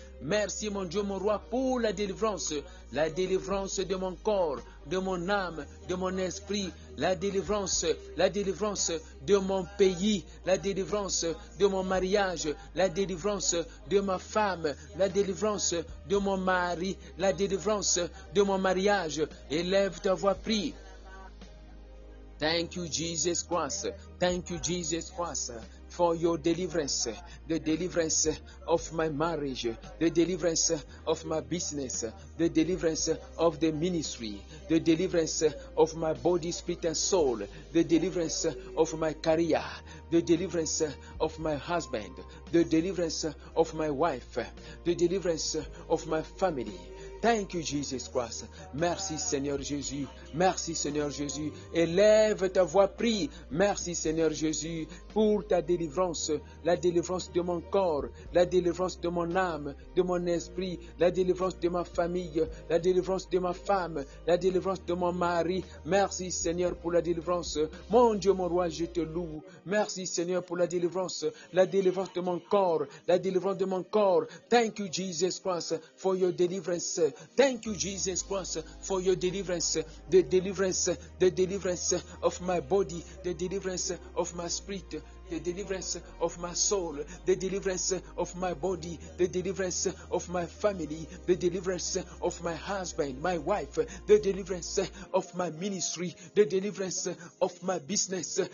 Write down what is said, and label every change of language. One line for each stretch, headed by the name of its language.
French: Merci, mon Dieu, mon roi, pour la délivrance de mon corps, de mon âme, de mon esprit, la délivrance de mon pays, la délivrance de mon mariage, la délivrance de ma femme, la délivrance de mon mari, la délivrance de mon mariage. Élève ta voix, prie.
English: Thank you, Jesus Christ. Thank you, Jesus Christ, for your deliverance, the deliverance of my marriage, the deliverance of my business, the deliverance of the ministry, the deliverance of my body, spirit, and soul, the deliverance of my career, the deliverance of my husband, the deliverance of my wife, the deliverance of my family, Thank you, Jesus Christ.
French: Merci, Seigneur Jésus. Merci, Seigneur Jésus. Élève ta voix, prie. Merci, Seigneur Jésus, pour ta délivrance, la délivrance de mon corps, la délivrance de mon âme, de mon esprit, la délivrance de ma famille, la délivrance de ma femme, la délivrance de mon mari. Merci, Seigneur, pour la délivrance. Mon Dieu, mon roi, je te loue. Merci, Seigneur, pour la délivrance de mon corps, la délivrance de mon corps.
English: Thank you, Jesus Christ, for your deliverance. Thank you, Jesus Christ, for your deliverance, the deliverance of my body, the deliverance of my spirit, the deliverance of my soul, the deliverance of my body, the deliverance of my family, the deliverance of my husband, my wife, the deliverance of my ministry, the deliverance of my business.